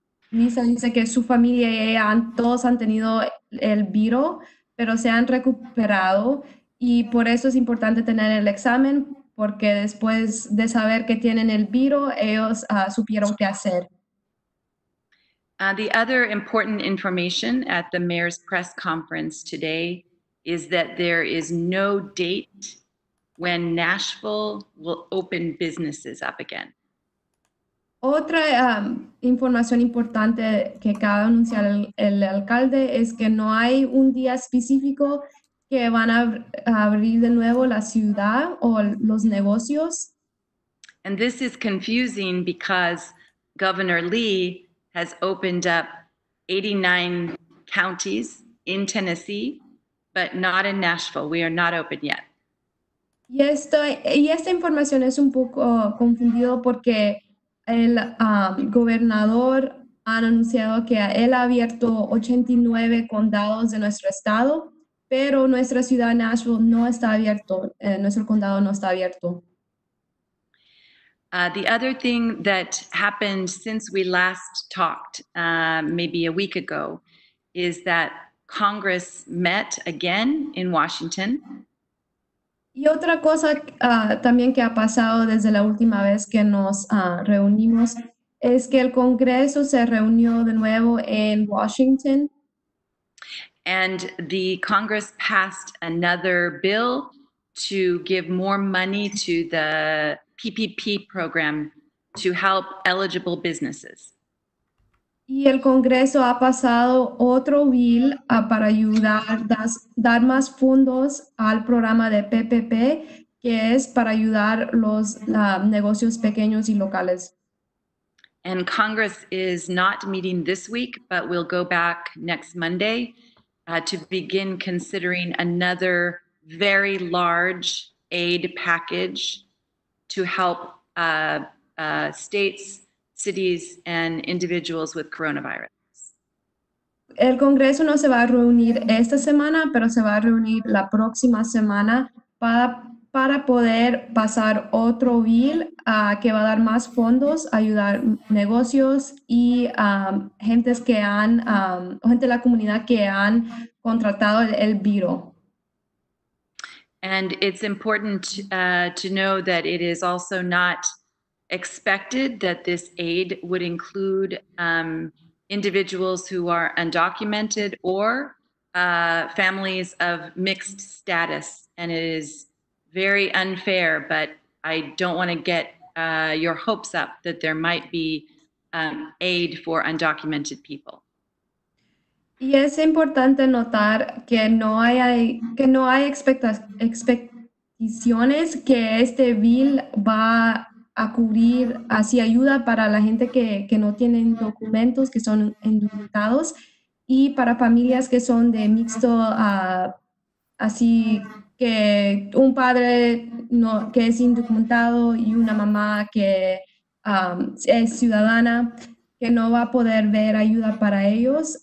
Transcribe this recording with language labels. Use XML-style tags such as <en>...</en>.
<es>Lisa dice que su familia y ella todos han tenido el virus, pero se han recuperado. Y por eso es importante tener el examen, porque después de saber que tienen el virus, ellos supieron qué hacer.</es> <en>The other important information at the mayor's press conference today is that there is no date when Nashville will open businesses up again.</en> <es>Otra información importante que acaba de anunciar el alcalde es que no hay un día específico que van a abrir de nuevo la ciudad o los negocios.</es> <en>And this is confusing because Governor Lee has opened up 89 counties in Tennessee, but not in Nashville. We are not open yet.</en> <es>Y esta información es un poco confundido porque el gobernador ha anunciado que él ha abierto 89 condados de nuestro estado, pero nuestra ciudad Nashville no está abierto, nuestro condado no está abierto.</es> <en>The other thing that happened since we last talked, maybe a week ago, is that Congress met again in Washington.</en> <es>Y otra cosa también que ha pasado desde la última vez que nos reunimos es que el Congreso se reunió de nuevo en Washington.</es> <en>And the Congress passed another bill to give more money to the PPP program to help eligible businesses.</en> <es>Y el Congreso ha pasado otro bill para ayudar dar más fondos al programa de PPP, que es para ayudar los negocios pequeños y locales.</es> <en>And Congress is not meeting this week, but we'll go back next Monday to begin considering another very large aid package to help states, cities, and individuals with coronavirus.</en> <es>El Congreso no se va a reunir esta semana, pero se va a reunir la próxima semana para poder pasar otro bill que va a dar más fondos, ayudar negocios y gentes que han, gente de la comunidad que han contratado el virus.</es> <en>And it's important to know that it is also not expected that this aid would include individuals who are undocumented or families of mixed status, and it is very unfair, but I don't want to get your hopes up that there might be aid for undocumented people.</en> <es>Y es importante notar que no hay, expectaciones que este bill va a cubrir así ayuda para la gente que, no tienen documentos, que son indocumentados, y para familias que son de mixto, así que un padre no, que es indocumentado y una mamá que es ciudadana, que no va a poder ver ayuda para ellos.</es>